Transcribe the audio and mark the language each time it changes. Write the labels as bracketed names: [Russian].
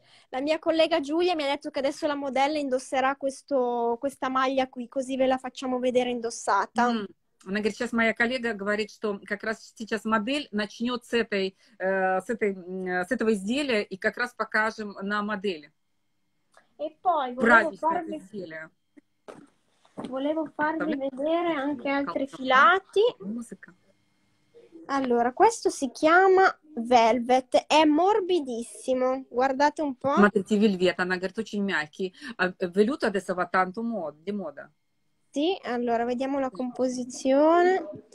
[Italian] La mia collega Giulia mi ha detto che adesso la modella indosserà questa maglia qui, così ve la facciamo vedere indossata. [Russian] Она говорит, сейчас моя коллега говорит, что как раз сейчас модель начнет с этого изделия и как раз покажем на модели. [Italian] E poi volevo farvi vedere anche altri filati. Musica. Allora, questo si chiama Velvet, è morbidissimo. Guardate un po'. [Russian] Смотрите, вельвет, она говорит, очень мягкий. [Italian] А velluto adesso va tanto di moda. Sì, allora vediamo la composizione.